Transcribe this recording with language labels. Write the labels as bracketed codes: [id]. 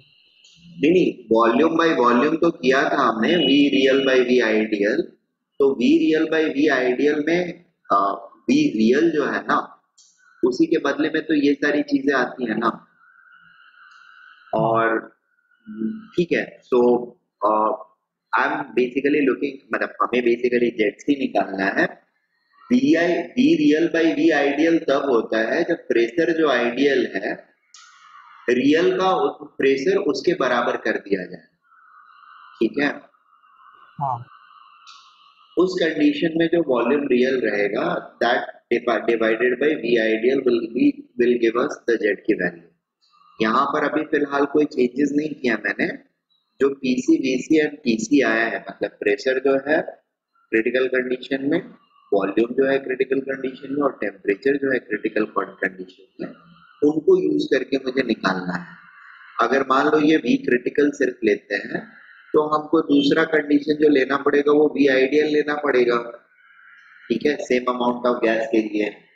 [hi] नहीं नहीं [en] volume by volume [hi] तो किया था हमने [en] V real by V ideal [hi] तो V real bye we ideal में वी रियल जो है ना उसी के बदले में तो ये सारी चीजें आती है ना और ठीक है [en] so I'm basically looking, [hi] मतलब हमें basically jets ही निकालना है। [en] V real by V ideal [hi] तब होता है जब pressure जो ideal है, real का pressure उसके बराबर कर दिया जाए, ठीक है? हाँ। उस [en] condition [hi] में जो [en] volume real [hi] रहेगा, [en] that divided by V ideal will give us the jet [hi] की [en] value। [hi] यहाँ पर अभी फिलहाल कोई changes नहीं किया मैंने। जो [en] PC VC and TC [hi] आया है मतलब प्रेशर जो है क्रिटिकल कंडीशन में वॉल्यूम जो है क्रिटिकल कंडीशन में और टेम्परेचर जो है क्रिटिकल कंडीशन में उनको यूज करके मुझे निकालना है। अगर मान लो ये वी क्रिटिकल सिर्फ लेते हैं तो हमको दूसरा कंडीशन जो लेना पड़ेगा वो वी आइडियल लेना पड़ेगा, ठीक है, [en] same amount of gas [hi] के लिए।